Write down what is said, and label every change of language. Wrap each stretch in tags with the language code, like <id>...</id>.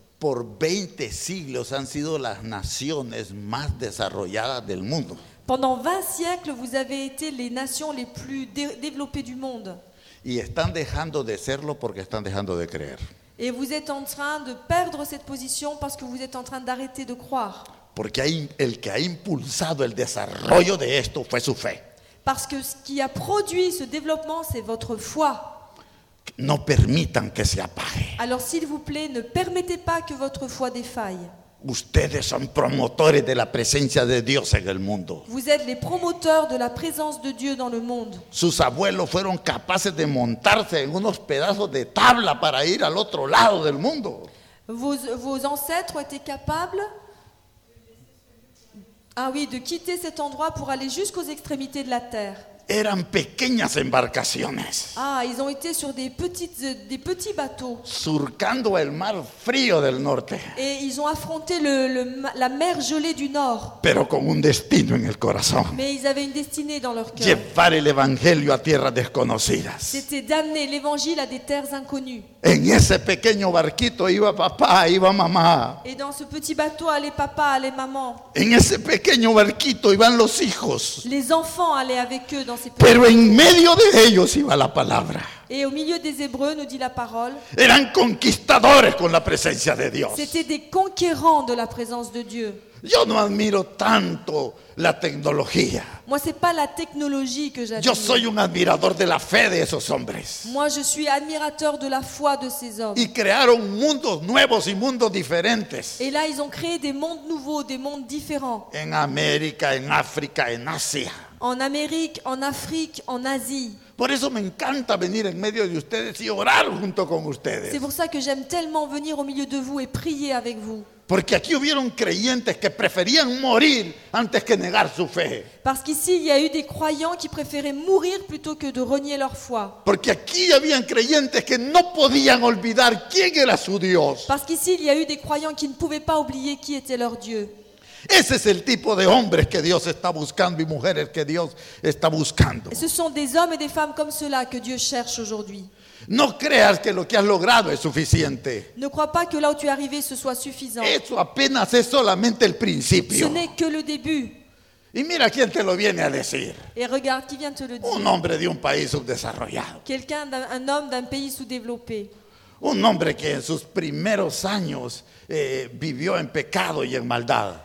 <es>Por 20 siglos han sido las naciones más desarrolladas del mundo.</es> <fr>Pendant 20 siècles, vous avez été les nations les plus développées du monde.</fr> <es>Y están dejando de serlo porque están dejando de creer.</es> <fr>Et vous êtes en train de perdre cette position parce que vous êtes en train d'arrêter de croire.</fr> <es>Porque el que ha impulsado el desarrollo de esto fue su fe.</es> <fr>Parce que ce qui a produit ce développement, c'est votre foi.</fr> <es>No permitan que se apague.</es> <fr>Alors s'il vous plaît, ne permettez pas que votre foi défaille.</fr> <es>Ustedes son promotores de la presencia de Dios en el mundo.</es> <fr>Vous êtes les promoteurs de la présence de Dieu dans le monde.</fr> <es>Sus abuelos fueron capaces de montarse en unos pedazos de tabla para ir al otro lado del mundo.</es> <fr>Vos ancêtres étaient capables. Ah oui, de quitter cet endroit pour aller jusqu'aux extrémités de la terre.</fr> <es>Eran pequeñas embarcaciones.</es> <fr>Ah, ils ont été sur des petits bateaux.</fr> <es>Surcando el mar frío del norte.</es> <fr>Et ils ont affronté la mer gelée du nord.</fr> <es>Pero con un destino en el corazón.</es> <fr>Mais ils avaient une destinée dans leur cœur.</fr> <es>Llevar el evangelio a tierras desconocidas.</es> <fr>C'était d'amener l'évangile à des terres inconnues.</fr> <es>En ese pequeño barquito iba papá, iba mamá.</es> <fr>Et dans ce petit bateau allait papa, allait maman.</fr> <es>En ese pequeño barquito iban los hijos.</es> <fr>Les enfants allaient avec eux.</fr> <es>Pero en medio de ellos iba la palabra.</es> <fr>Et au milieu des Hébreux nous dit la parole.</fr> <es>Eran conquistadores con la presencia de Dios.</es> <fr>C'était des conquérants de la présence de Dieu.</fr> <es>Yo no admiro tanto la tecnología.</es> <fr>Moi c'est pas la technologie que j'admire.</fr> <es>Yo soy un admirador de la fe de esos hombres.</es> <fr>Moi je suis admirateur de la foi de ces hommes.</fr> <es>Y crearon mundos nuevos y mundos diferentes.</es> <fr>Et là ils ont créé des mondes nouveaux, des mondes différents.</fr> <es>En América, en África, en Asia.</es> <fr>En Amérique, en Afrique, en Asie.</fr> <es>Por eso me encanta venir en medio de ustedes y orar junto con ustedes.</es> <fr>C'est pour ça que j'aime tellement venir au milieu de vous et prier avec vous.</fr> <es>Porque aquí hubieron creyentes que preferían morir antes que negar su fe.</es> <fr>Parce qu'ici il y a eu des croyants qui préféraient mourir plutôt que de renier leur foi.</fr> <es>Porque aquí habían creyentes que no podían olvidar quién era su Dios.</es> <fr>Parce qu'ici il y a eu des croyants qui ne pouvaient pas oublier qui était leur Dieu.</fr> <es>Ese es el tipo de hombres que Dios está buscando y mujeres que Dios está buscando.</es> <fr>Ce sont des hommes et des femmes comme cela que Dieu cherche aujourd'hui.</fr> <es>No creas que lo que has logrado es suficiente.</es> <fr>Ne crois pas que là où tu es arrivé ce soit suffisant.</fr> <es>Eso apenas es solamente el principio.</es> <fr>Ce n'est que le début.</fr> <es>Y mira quién te lo viene a decir.</es> <fr>Et regarde qui vient te le dire.</fr> <es>Un hombre de un país subdesarrollado.</es> <fr>Quelqu'un un homme d'un pays sous-développé.</fr> <es>Un hombre que en sus primeros años vivió en pecado y en maldad.</es>